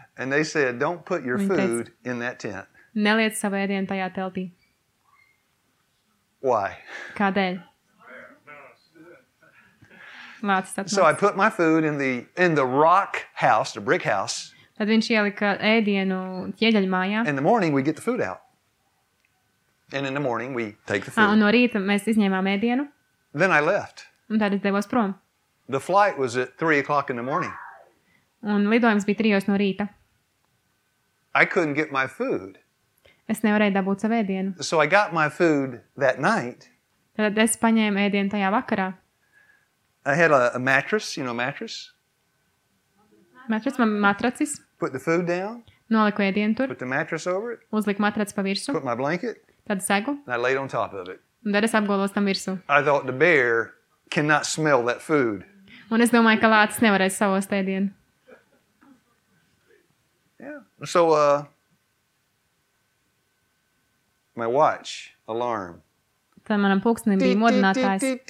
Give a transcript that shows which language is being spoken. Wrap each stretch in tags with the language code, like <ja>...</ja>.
<en>And they said, don't put your food in that tent.</en> <lv>Neliec savu ēdienu tajā teltī.</lv> <en>Why?</en> <lv>Kādēļ? Lācis atnāc.</lv> <en>So I put my food in the rock house, the brick house.</en> <lv>Tad viņš ielika ēdienu ķieģeļu mājā.</lv> <en>In the morning we get the food out. And in the morning we take the food.</en> <lv>Un no rīta mēs izņēmām ēdienu.</lv> <en>Then I left.</en> <lv>Un tad es devos prom.</lv> <en>The flight was at 3 o'clock in the morning.</en> <lv>Un lidojums bija 3 no rīta.</lv> <en>I couldn't get my food.</en> <lv>Es nevarēju dabūt savu ēdienu.</lv> <en>So I got my food that night.</en> <lv>Tad es paņēmu ēdienu tajā vakarā.</lv> <en>I had a mattress, you know, mattress.</en> <lv>Mattress, man matracis.</lv> <en>Put the food down.</en> <lv>Noliku ēdienu tur.</lv> <en>Put the mattress over it.</en> <lv>Uzliku matraci pa virsu.</lv> <en>Put my blanket.</en> <lv>Tad segu.</lv> <en>And I laid on top of it.</en> <lv>Un tad es apgolos tam virsu.</lv> <en>I thought the bear cannot smell that food.</en> <lv>Un es domāju, ka lācis nevarēs savost ēdienu.</lv> <en>Yeah. So my watch alarm.</en> <lv>Tad manam pulksnim bija modinātājs.</lv>